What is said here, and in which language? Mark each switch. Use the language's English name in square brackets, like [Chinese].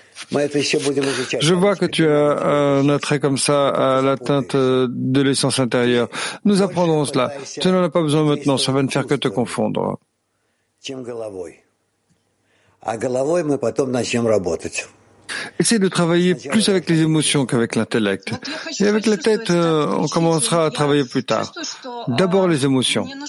[French] Je vois que tu as un attrait comme ça à l'atteinte de l'essence intérieure. Nous apprendrons cela. Tu n'en as pas besoin maintenant, ça va ne faire que te confondre. [Russian] Чем головой. А головой мы потом начнем работать. [French] Essayez de travailler plus avec les émotions qu'avec l'intellect. Et avec la tête, on commencera à travailler plus tard. D'abord les émotions.